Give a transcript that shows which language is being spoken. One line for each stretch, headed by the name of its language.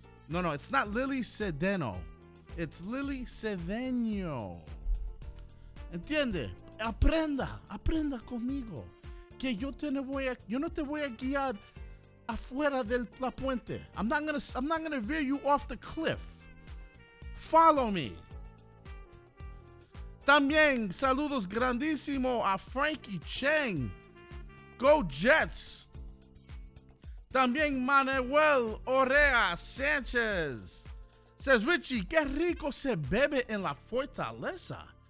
English: No, no, it's not Lily Cedeno. It's Lily Cedeño.
Spanish: ¿Entiende? Aprenda, aprenda conmigo. Que yo no te voy a guiar afuera de la puente.
English: I'm not gonna veer you off the cliff. Follow me.
Spanish: También saludos grandísimo a Frankie Chang.
English: Go Jets.
Spanish: También
English: Manuel Orea Sanchez. Says,
Spanish: Richie, qué rico se bebe en la Fortaleza.